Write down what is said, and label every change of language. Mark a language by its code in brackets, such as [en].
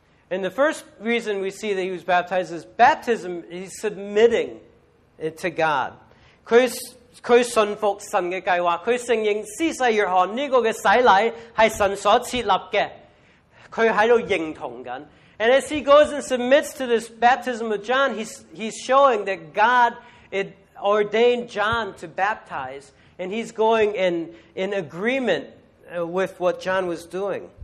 [en] And the first reason we see that he was baptized is baptism, he's submitting it to God. [zh] 他信服神的计划,他承认施洗约翰这个洗礼是神所设立的,他在认同着. [en] And as he goes and submits to this baptism of John, he's showing that God had ordained John to baptize, and he's going in agreement with what John was doing.